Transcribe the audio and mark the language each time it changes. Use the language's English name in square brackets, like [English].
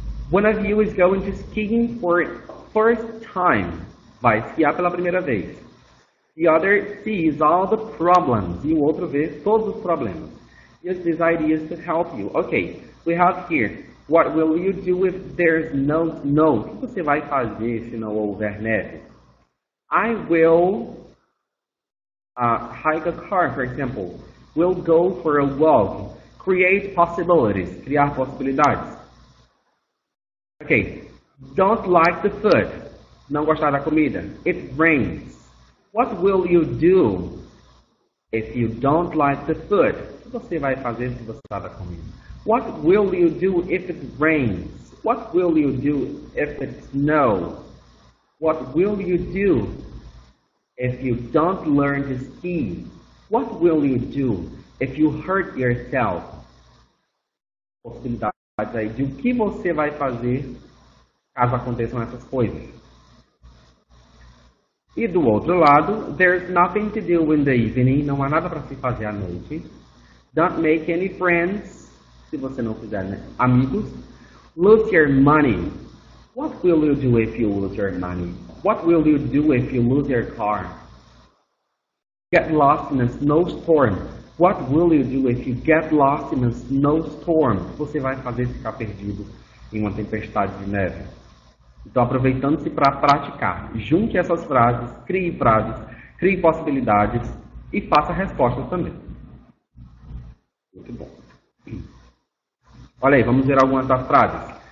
[English] One of you is going to skiing for first time. [Portuguese] Vai esquiar pela primeira vez. [English] The other sees all the problems. [Portuguese] E o outro vê todos os problemas. [English] Use these ideas to help you. Okay, we have here. What will you do if there's no snow? [Portuguese] O que você vai fazer se não houver neve? [English] I will hike a car, for example. We'll go for a walk. Create possibilities. [Portuguese] Criar possibilidades. Okay. [English] Don't like the food. [Portuguese] Não gostar da comida. [English] It rains. What will you do if you don't like the food? [Portuguese] O que você vai fazer se gostar da comida? [English] What will you do if it rains? What will you do if it snows? What will you do if you don't learn to ski? What will you do if you hurt yourself? [Portuguese] Possibilidades aí de o que você vai fazer caso aconteçam essas coisas. E do outro lado, [English] there's nothing to do in the evening. [Portuguese] Não há nada para se fazer à noite. [English] Don't make any friends. [Portuguese] Se você não fizer, né? Amigos. [English] Lose your money. What will you do if you lose your money? What will you do if you lose your car? Get lost in a snowstorm. What will you do if you get lost in a snowstorm? [Portuguese] Você vai fazer ficar perdido em uma tempestade de neve. Então, aproveitando-se para praticar. Junte essas frases, crie possibilidades e faça respostas também. Muito bom. Olha aí, vamos ver algumas das frases.